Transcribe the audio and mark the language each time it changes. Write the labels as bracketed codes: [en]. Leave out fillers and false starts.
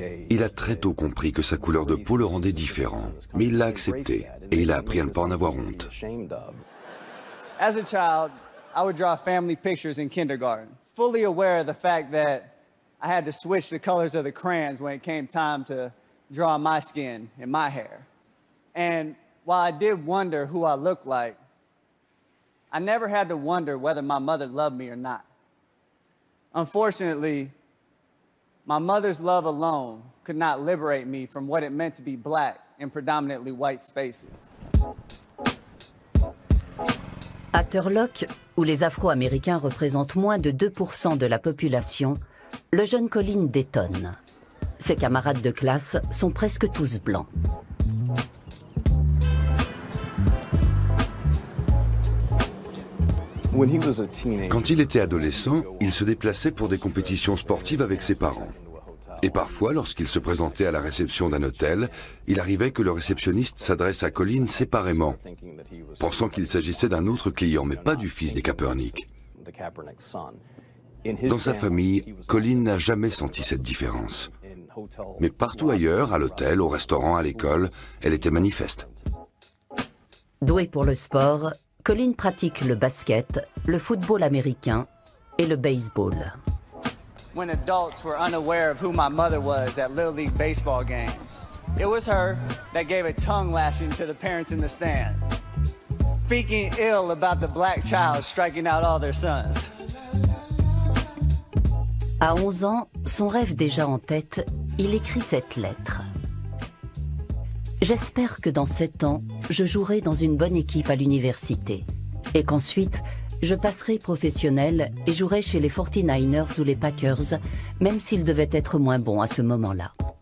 [fr] Il a très tôt compris que sa couleur de peau le rendait différent, mais il l'a accepté et il a appris à ne pas en avoir honte. [en] As a child, I would draw family pictures in kindergarten, fully aware of the fact that I had to switch the colors of the crayons when it came time to draw my skin and my hair. And while I did wonder who I looked like, I never had to wonder whether my mother loved me or not. Unfortunately, my mother's love alone could not liberate me from what it meant to be black in predominantly white spaces. [fr] À Turlock, où les Afro-Américains représentent moins de 2% de la population, le jeune Colin détonne. Ses camarades de classe sont presque tous blancs. Quand il était adolescent, il se déplaçait pour des compétitions sportives avec ses parents. Et parfois, lorsqu'il se présentait à la réception d'un hôtel, il arrivait que le réceptionniste s'adresse à Colin séparément, pensant qu'il s'agissait d'un autre client, mais pas du fils des Kaepernick. Dans sa famille, Colin n'a jamais senti cette différence. Mais partout ailleurs, à l'hôtel, au restaurant, à l'école, elle était manifeste. Doué pour le sport, Colin pratique le basket, le football américain et le baseball. [en] When adults were unaware of who my mother was at Little League baseball games, it was her that gave a tongue lashing to the parents in the stand, speaking ill about the black child striking out all their sons. [fr] À 11 ans, son rêve déjà en tête, il écrit cette lettre. J'espère que dans 7 ans, je jouerai dans une bonne équipe à l'université et qu'ensuite, je passerai professionnel et jouerai chez les 49ers ou les Packers, même s'ils devaient être moins bons à ce moment-là.